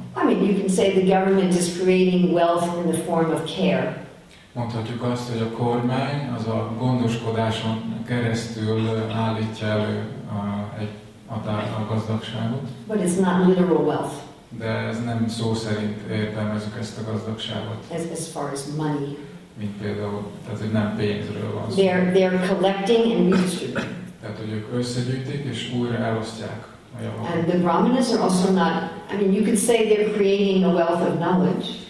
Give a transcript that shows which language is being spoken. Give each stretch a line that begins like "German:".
English: I mean, you can say the government is creating wealth in the form of care.
Hungarian: Mondhatjuk azt, hogy a kormány az a gondoskodáson keresztül állítja elő a gazdagságot.
English: But it's not literal wealth.
Hungarian: De ez nem szó szerint értelmezzük ezt a gazdagságot.
English: As far as money.
Hungarian: Mint például, tehát hogy nem pénzről van szó.
English: They're collecting and redistributing.
Hungarian: Tehát hogy ők összegyűjtik és újra elosztják a javakat.
English: And the brahmanas are also not. I mean, you could say they're creating a wealth of knowledge.